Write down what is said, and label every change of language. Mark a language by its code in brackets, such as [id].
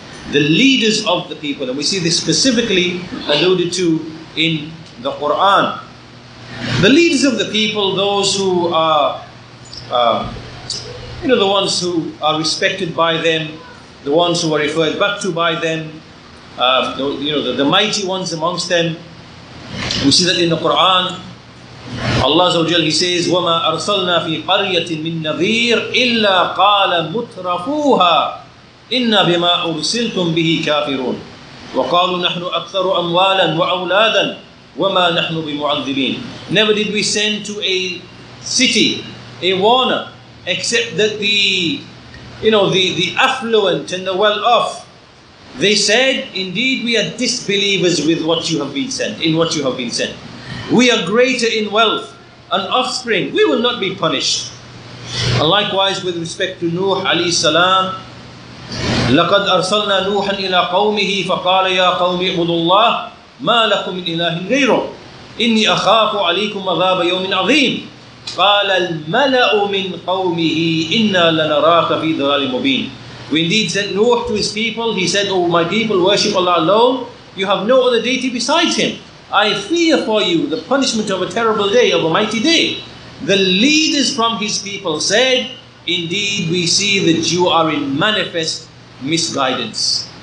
[en] The leaders of the people, and we see this specifically alluded to in the Quran. The leaders of the people, those who are, the ones who are respected by them, the ones who are referred back to by them, the mighty ones amongst them. We see that in the Quran, Allah Azza wa Jalla, He says, [ar] وَمَا أَرْسَلْنَا فِي قَرْيَةٍ مِّن نَذِيرٍ إِلَّا قَالَ مُتْرَفُوهَا إِنَّا بِمَا أُرْسِلْتُمْ بِهِ كَافِرُونَ وَقَالُوا نَحْنُ أَكْثَرُ أَمْوَالًا وَأَوْلَادًا وَمَا نَحْنُ بِمُعَذِّبِينَ. [en] Never did we send to a city a warner, except that the affluent and the well-off, they said, indeed we are disbelievers with what you have been sent, in what you have been sent. We are greater in wealth and offspring. We will not be punished. And likewise with respect to Nuh alayhi salam, [ar] لَقَدْ أَرْسَلْنَا نُوحًا إِلَىٰ قَوْمِهِ فَقَالَ يَا قَوْمِ اعْبُدُوا اللَّهَ مَا لَكُمْ مِنْ إِلَٰهٍ غَيْرُهُ إِنِّي أَخَافُ عَلَيْكُمْ عَذَابَ يَوْمٍ عَظِيمٍ قَالَ الْمَلَأُ مِنْ قَوْمِهِ إِنَّا لَنَرَاكَ فِي ضَلَالٍ مُبِينٍ. [en] We indeed sent Nuh to his people. He said, oh my people, worship Allah alone. You have no other deity besides him. I fear for you the punishment of a terrible day, of a mighty day. The leaders from his people said, indeed we see that you are in manifest misguidance.